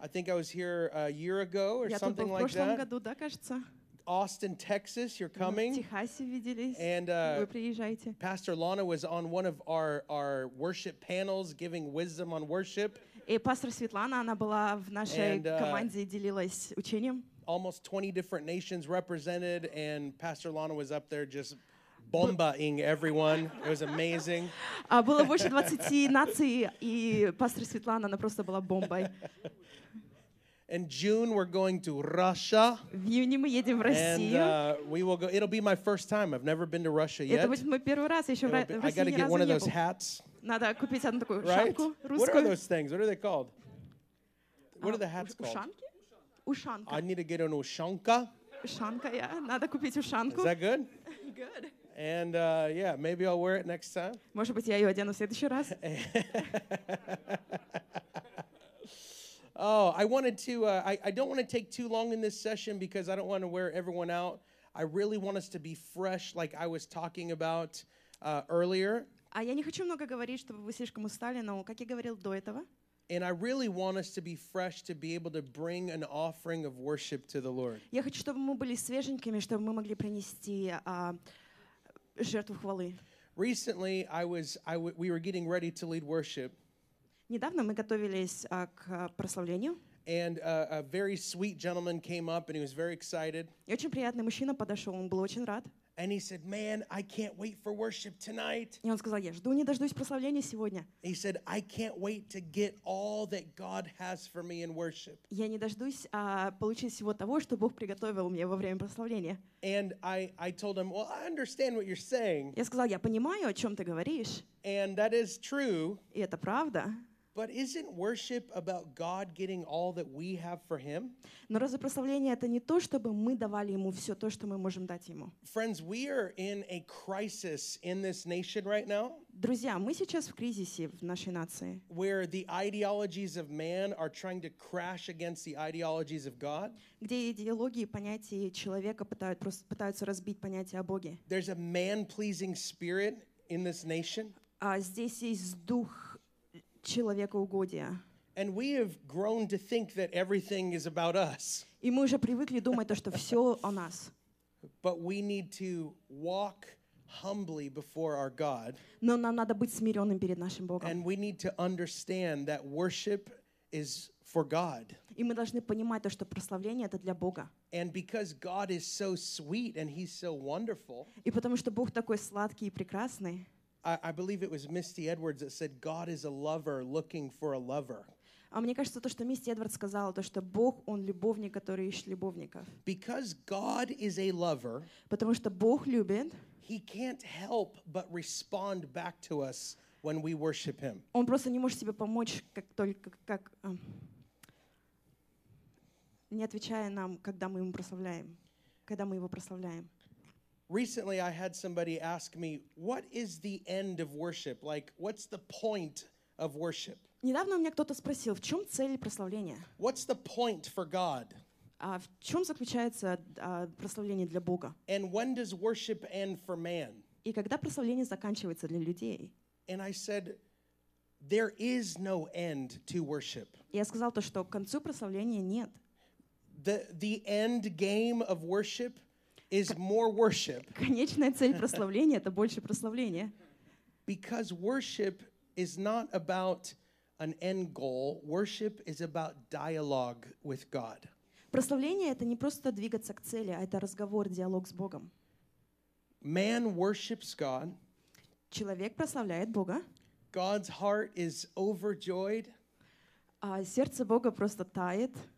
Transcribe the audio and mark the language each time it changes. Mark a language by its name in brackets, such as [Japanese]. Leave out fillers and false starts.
[English] I think I was here a year ago or something like that. [Russian] Я тут был в прошлом году, да, кажется. [English] Austin, Texas, you're coming. [Russian] В Техасе виделись. [English] And [Russian] вы приезжаете. [English] Pastor Lana was on one of our worship panels giving wisdom on worship. [Russian] И пастор Светлана, она была в нашей команде и делилась учением. [English] Almost 20 different nations represented, and Pastor Lana was up there just bombing everyone. It was amazing. [Russian] Было больше 20 наций, и пастор Светлана, она просто была бомбой. [English] In June, we're going to Russia. [Russian] В июне мы едем в Россию. [English] And we will go. It'll be my first time. I've never been to Russia yet. [Russian] Это будет мой первый раз. Еще в России ни разу не был. [English] I gotta get one of those hats. [Russian] Надо купить одну такую [English] right? [Russian] шапку русскую. [English] What are those things? What are they called? What are the hats called? [Russian] Ушанки? Ушанка. [English] I need to get an ушанка. [Russian] Ушанка, yeah. Надо купить ушанку. [English] Is that good? Good. And yeah, maybe I'll wear it next time. [Russian] Может быть, я ее одену в следующий раз. [English] Oh, I wanted to, I don't want to take too long in this session because I don't want to wear everyone out. I really want us to be fresh like I was talking about earlier. [Russian] А я не хочу много говорить, чтобы вы слишком устали, но как я говорил до этого. [English] And I really want us to be fresh to be able to bring an offering of worship to the Lord. [Russian] Я хочу, чтобы мы были свеженькими, чтобы мы могли принести жертву хвалы. [English] Recently, we were getting ready to lead worship. [Russian] Недавно мы готовились к прославлению. [English] And a very sweet gentleman came up and he was very excited. [Russian] И очень приятный мужчина подошёл, он был очень рад. [English] And he said, "Man, I can't wait for worship tonight." [Russian] И он сказал: "Я жду, не дождусь прославления сегодня." [English] He said, "I can't wait to get all that God has for me in worship." [Russian] Я не дождусь получить всего того, что Бог приготовил мне во время прославления. [English] And I told him, "Well, I understand what you're saying." [Russian] Я сказал: "Я понимаю, о чём ты говоришь." [English] And that is true. [Russian] И это правда. [English] But isn't worship about God getting all that we have for Him? [Russian] Но разве прославление это не то, чтобы мы давали ему все то, что мы можем дать ему? [English] Friends, we are in a crisis in this nation right now. [Russian] Друзья, мы сейчас в кризисе в нашей нации. [English] Where the ideologies of man are trying to crash against the ideologies of God. [Russian] Где идеологии и понятия человека пытаются разбить понятия о Боге. [English] There's a man-pleasing spirit in this nation. [Russian] А здесь есть дух. [English] And we have grown to think that everything is about us. [Russian] И мы уже привыкли думать, что всё о нас. [English] But we need to walk humbly before our God. [Russian] Но нам надо быть смиренным перед нашим Богом. [English] And we need to understand that worship is for God. [Russian] И мы должны понимать то, что прославление это для Бога. [English] And because God is so sweet and He's so wonderful. [Russian] И потому что Бог такой сладкий и прекрасный. [English] I believe it was Misty Edwards that said, "God is a lover looking for a lover." [Russian] Мне кажется, то, что Мисти Эдвардс сказала, то, что Бог он любовник, который ищет любовников. [English] Because God is a lover, [Russian] потому что Бог любит, [English] He can't help but respond back to us when we worship Him. [Russian] Он просто не может себе помочь, как только как не отвечает нам, когда мы ему прославляем, когда мы его прославляем. [English] Recently I had somebody ask me, what is the end of worship? Like, what's the point of worship? [Russian] Недавно у меня кто-то спросил, в чем цель прославления? [English] What's the point for God? [Russian] В чем заключается прославление для Бога? [English] And when does worship end for man? [Russian] И когда прославление заканчивается для людей? [English] And I said, there is no end to worship. [Russian] Я сказал то, что к концу прославления нет. [English] The end game of worship is more worship. [Russian] Конечная цель прославления — это больше прославления. [English] Because worship is not about an end goal. Worship is about dialogue with God. [Russian] Прославление — это не просто двигаться к цели, а это разговор, диалог с Богом. [English] Man worships God. [Russian] Человек прославляет Бога. [English] God's heart is overjoyed. [Russian] Сердце Бога просто тает.